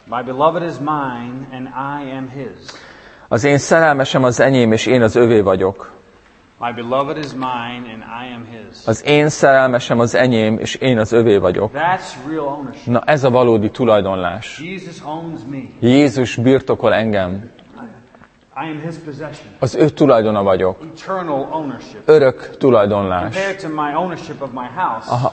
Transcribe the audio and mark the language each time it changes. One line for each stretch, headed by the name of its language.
English: My beloved is mine, and I am his.
Hungarian: Az én szerelmesem az enyém, és én az övé vagyok.
English: My beloved is mine, and I am his.
Hungarian: Az én szerelmesem az enyém, és én az övé vagyok.
English: That's real ownership.
Hungarian: Na, ez a valódi tulajdonlás.
English: Jesus owns me.
Hungarian: Jézus birtokol engem.
English: I am his possession.
Hungarian: Az ő tulajdona vagyok.
English: Eternal ownership.
Hungarian: Örök tulajdonlás.
English: Compared to my ownership of my house.